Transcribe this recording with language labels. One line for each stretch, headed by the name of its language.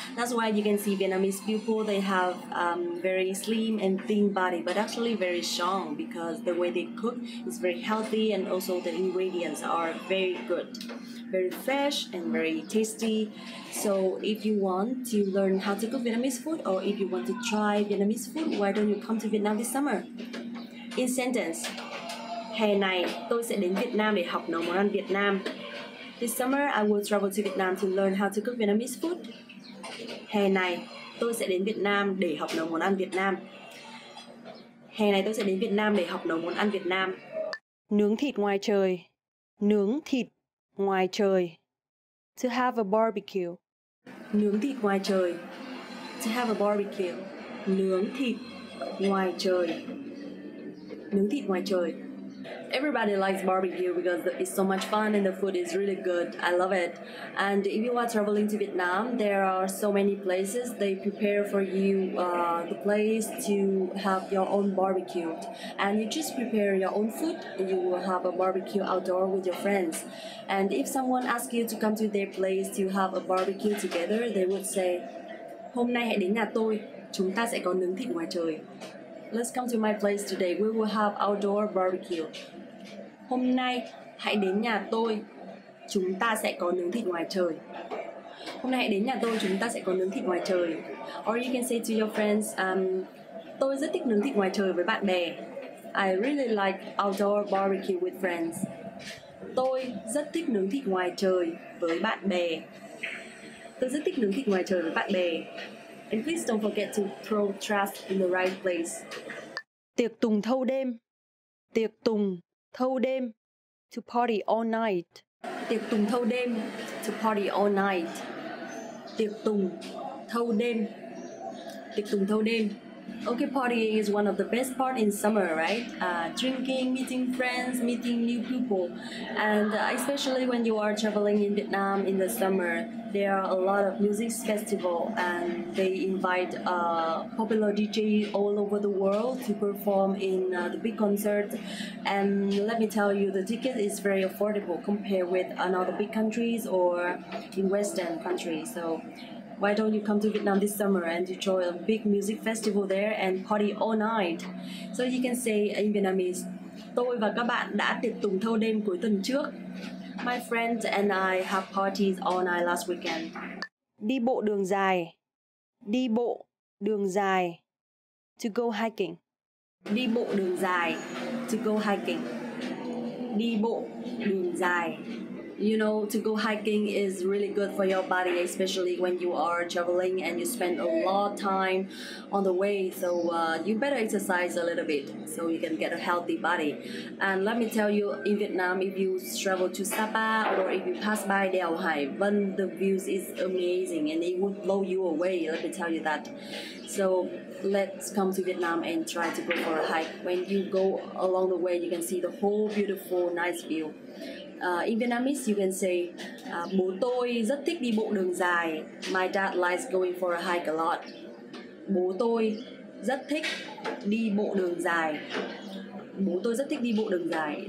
English: That's why you can see Vietnamese people, they have very slim and thin body, but actually very strong because the way they cook is very healthy, and also the ingredients are very good, very fresh and very tasty. So if you want to learn how to cook Vietnamese food, or if you want to try Vietnamese food, why don't you come to Vietnam this summer? In sentence,
Vietnamese: hè này, tôi sẽ đến Việt Nam để học nấu món ăn Việt Nam.
English: This summer, I will travel to Vietnam to learn how to cook Vietnamese food.
Vietnamese: Hè này, tôi sẽ đến Việt Nam để học nấu món ăn Việt Nam. Hè này, tôi sẽ đến Việt Nam để học nấu món ăn Việt Nam. Nướng thịt ngoài trời. Nướng thịt ngoài trời.
English: To have a barbecue.
Vietnamese: Nướng thịt ngoài trời.
English: To have a barbecue.
Vietnamese: Nướng thịt ngoài trời. Nướng thịt ngoài trời.
English: Everybody likes barbecue because it's so much fun and the food is really good. I love it. And if you are traveling to Vietnam, there are so many places they prepare for you the place to have your own barbecue. And you just prepare your own food and you will have a barbecue outdoor with your friends. And if someone asks you to come to their place to have a barbecue together, they would say,
Vietnamese: hôm nay hãy đến nhà tôi, chúng ta sẽ có nướng thịt ngoài trời.
English: Let's come to my place today. We will have outdoor barbecue.
Vietnamese: Hôm nay hãy đến nhà tôi. Chúng ta sẽ có nướng thịt ngoài trời. Hôm nay hãy đến nhà tôi. Chúng ta sẽ có nướng thịt ngoài trời.
English: Or you can say to your friends,
Vietnamese: tôi rất thích nướng thịt ngoài trời với bạn bè.
English: I really like outdoor barbecue with friends.
Vietnamese: Tôi rất thích nướng thịt ngoài trời với bạn bè. Tôi rất thích nướng thịt ngoài trời với bạn bè.
English: And please don't forget to throw trash in the right place.
Vietnamese: Tiệc tùng thâu đêm. Tiệc tùng thâu đêm.
English: To party all night.
Vietnamese: Tiệc tùng thâu đêm.
English: To party all night.
Vietnamese: tiệc tùng thâu đêm. Tiệc tùng thâu đêm.
English: Okay, partying is one of the best part in summer, right? Drinking, meeting friends, meeting new people. And especially when you are traveling in Vietnam in the summer, there are a lot of music festival and they invite popular DJ all over the world to perform in the big concert. And let me tell you, the ticket is very affordable compared with another big countries or in Western countries. So why don't you come to Vietnam this summer and enjoy a big music festival there and party all night? So you can say in Vietnamese,
Vietnamese: tôi và các bạn đã tiệc tùng thâu đêm cuối tuần trước.
English: My friends and I have parties all night last weekend.
Vietnamese: Đi bộ đường dài. Đi bộ đường dài.
English: To go hiking.
Vietnamese: Đi bộ đường dài.
English: To go hiking.
Vietnamese: Đi bộ đường dài.
English: You know, to go hiking is really good for your body, especially when you are traveling and you spend a lot of time on the way. So you better exercise a little bit so you can get a healthy body. And let me tell you, in Vietnam, if you travel to Sapa or if you pass by Đèo Hải Vân, the views is amazing and it would blow you away, let me tell you that. So let's come to Vietnam and try to go for a hike. When you go along the way, you can see the whole beautiful, nice view. In Vietnamese, you can say,
Vietnamese: bố tôi rất thích đi bộ đường dài.
English: My dad likes going for a hike a lot.
Vietnamese: Bố tôi rất thích đi bộ đường dài. Bố tôi rất thích đi bộ đường dài.